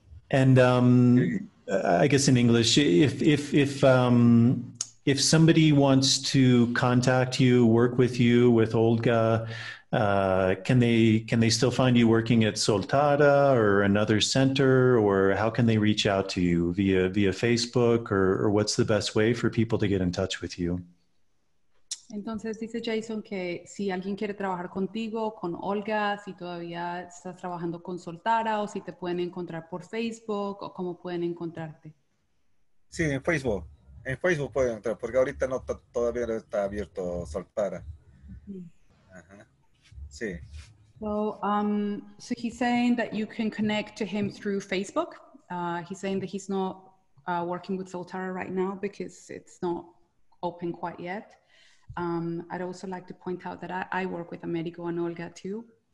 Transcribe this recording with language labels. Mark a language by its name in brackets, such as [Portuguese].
[English] And I guess in English, if somebody wants to contact you, work with you, with Olga, can they still find you working at Soltada or another center, or how can they reach out to you via Facebook, or what's the best way for people to get in touch with you? [Spanish] Entonces dice Jason que si alguien quiere trabajar contigo, con Olga, si todavía estás trabajando con Soltara o si te pueden encontrar por Facebook o cómo pueden encontrarte. Sí, en Facebook. En Facebook pueden entrar porque ahorita no todavía está abierto Soltara. Sí. [English] So, so he's saying that you can connect to him through Facebook. He's saying that he's not working with Soltara right now because it's not open quite yet. I'd also like to point out that I work with Américo and Olga too.